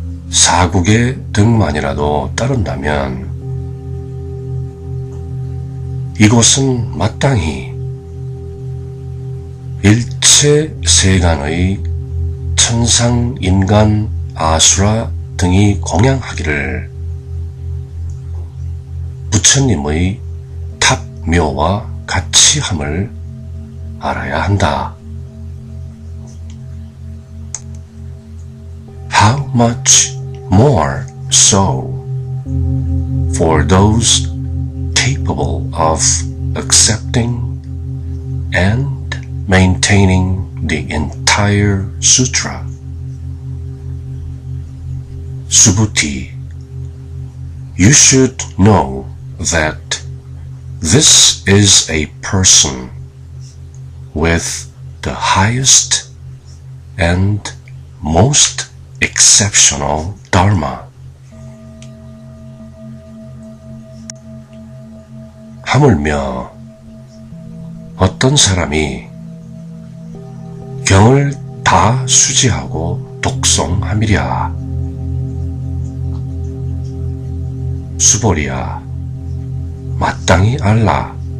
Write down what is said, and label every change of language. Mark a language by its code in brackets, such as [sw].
[ko] 사국의 등만이라도 따른다면 이곳은 마땅히 일체 세간의 천상 인간 아수라 등이 공양하기를 부처님의 탑묘와 같이 함을 알아야 한다. [en] How much more so for those capable of accepting and maintaining the entire sutra? Subhuti, you should know that this is a person with the highest and most exceptional dharma. [ko] "하물며 어떤 사람이 경을 다 수지하고 독송하미랴. 수보리야, 마땅히 알라.